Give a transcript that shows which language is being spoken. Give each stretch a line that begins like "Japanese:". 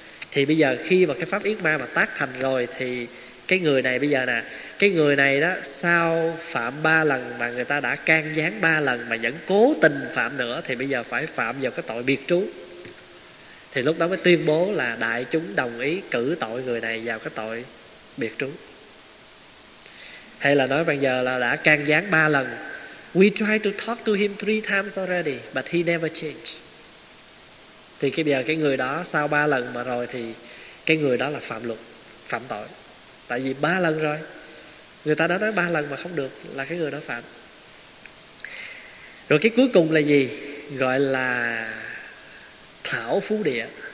Vietnamese: Thì bây giờ khi mà cái pháp yết ma mà tác thành rồi thì cái người này bây giờ nè, cái người này đó sau phạm 3 lần mà người ta đã can gián 3 lần mà vẫn cố tình phạm nữa thì bây giờ phải phạm vào cái tội biệt trú. Thì lúc đó mới tuyên bố là đại chúng đồng ý cử tội người này vào cái tội biệt trú. Hay là nói bây giờ là đã can gián 3 lần.
English: We try to talk to him 3 times already, but he never changed.
Vietnamese: Thì cái bây giờ cái người đó sau 3 lần mà rồi thì cái người đó là phạm luật, phạm tội. Tại vì 3 lần rồi, người ta đã nói 3 lần mà không được là cái người đó phạm. Rồi cái cuối cùng là gì? Gọi là thảo phú địa.